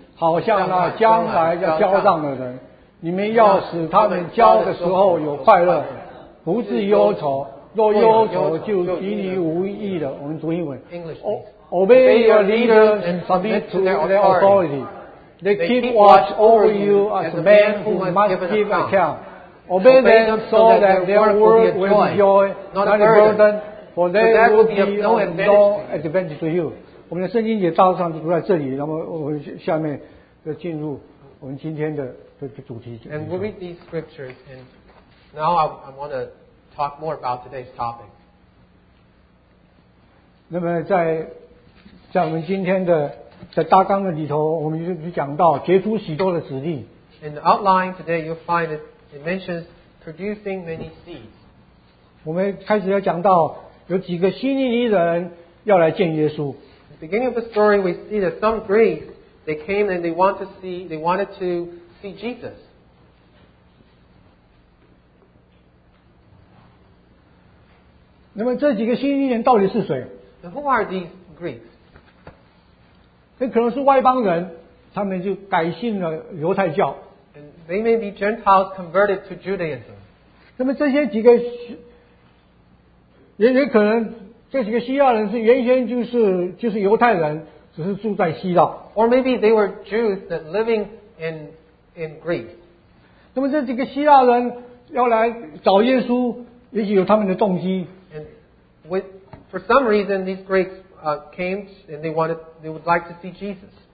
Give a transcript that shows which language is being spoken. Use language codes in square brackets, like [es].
[zh] 好像那将来要交账的人，你们要使他们交的时候有快乐，不致忧愁。若忧愁，就与你无益了。我们读英文。 [en] English. Obey your leader and submit to their authority. They keep watch over you as a man who must give account. Obey them so that their work will be joy, not a burden, for they will be of no advantage to you. [zh] 我们的圣经也大致上读在这里，那么我们下面。 [en] And we read these scriptures, and now I want to talk more about today's topic. [zh] 那么在我们今天的大纲的里头，我们就讲到结出许多的子粒。 [en] In the outline today, you'll find it mentions producing many seeds. [zh] 我们开始要讲到有几个希利尼人要来见耶稣。 [en] At the beginning of the story, we see that some Greeks. They came and they wanted to see Jesus. [zh] 那么这几个希利尼人到底是谁？ [en] Now, who are these Greeks? [zh] 那可能是外邦人，他们就改信了犹太教。 [en] And they may be Gentiles converted to Judaism. [zh] 那么这些几个，也可能这几个希腊人是原先就是犹太人。 [en] Or maybe they were Jews that living in Greece. [zh] 那么这几个希腊人要来找耶稣，也许有他们的动机。 [en] And for some reason, these Greeks came and they would like to see Jesus.